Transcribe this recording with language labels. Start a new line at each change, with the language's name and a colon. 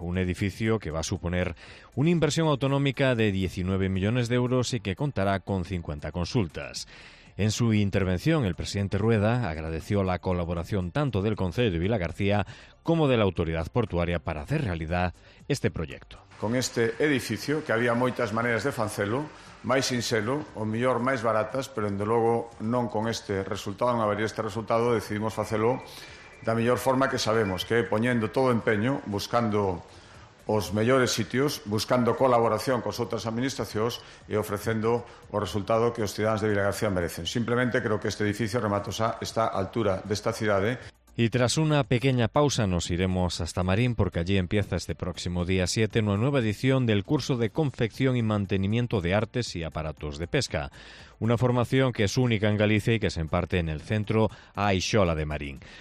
Spanish: Un edificio que va a suponer una inversión autonómica de 19 millones de euros y que contará con 50 consultas. En su intervención, el presidente Rueda agradeció la colaboración tanto del Concello de Vila García como de la autoridad portuaria para hacer realidad este proyecto.
Galician: Con este edificio, que había moitas maneras de facelo, máis sinxelo, o mellor máis baratas, pero, dende logo, non con este resultado, non habería este resultado, decidimos facelo da mellor forma que sabemos, que poñendo todo empeño, buscando os mellores sitios, buscando colaboración cos outras administracións e ofrecendo o resultado que os cidadáns de Vila García merecen. Simplemente creo que este edificio rematosa está á altura desta cidade.
Spanish: Y tras una pequeña pausa nos iremos hasta Marín porque allí empieza este próximo día 7 una nueva edición del curso de confección y mantenimiento de artes y aparatos de pesca. Una formación que es única en Galicia y que se imparte en el centro Aixola de Marín.